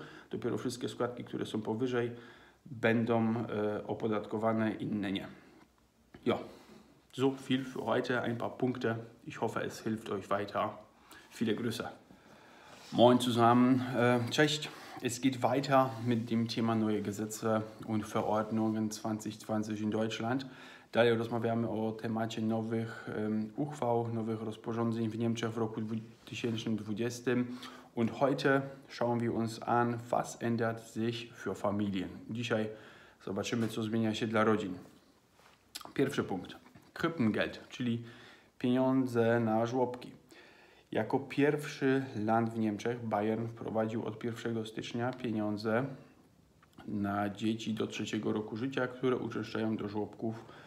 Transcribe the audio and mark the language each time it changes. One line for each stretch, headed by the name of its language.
Polish: Dopiero wszystkie składki, które są powyżej, będą opodatkowane, inne nie.
German: Ja, so viel für heute, ein paar Punkte. Ich hoffe, es hilft euch weiter. Viele Grüße. Moin zusammen.
Polish: Cześć.
German: Es geht weiter mit dem Thema neue Gesetze und Verordnungen 2020 in Deutschland.
Polish: Dalej rozmawiamy o temacie nowych uchwał, nowych rozporządzeń w Niemczech w roku 2020.
German: Und heute schauen wir uns an, was ändert sich für Familien.
Polish: Dzisiaj zobaczymy, co zmienia się dla rodzin. Pierwszy punkt. Krippengeld, czyli pieniądze na żłobki. Jako pierwszy land w Niemczech, Bayern wprowadził od 1 stycznia pieniądze na dzieci do 3 roku życia, które uczęszczają do żłobków.